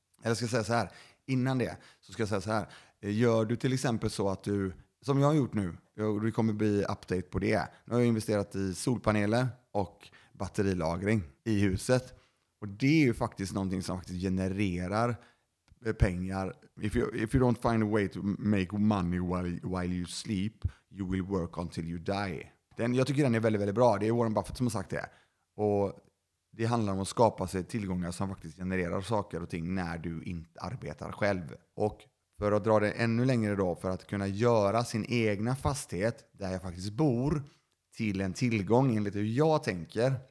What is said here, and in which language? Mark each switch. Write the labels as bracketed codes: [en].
[sv] Eller ska jag säga så här, innan det så ska jag säga så här. Gör du till exempel så att du, som jag har gjort nu, det kommer bli update på det. Nu har jag investerat i solpaneler och batterilagring i huset. Och det är ju faktiskt någonting som faktiskt genererar pengar. [en] If you don't find a way to make money while you sleep, you will work until you die. [sv] Jag tycker den är väldigt, väldigt bra. Det är Warren Buffett som har sagt det. Och det handlar om att skapa sig tillgångar som faktiskt genererar saker och ting när du inte arbetar själv. Och för att dra det ännu längre då, för att kunna göra sin egna fastighet där jag faktiskt bor till en tillgång enligt hur jag tänker.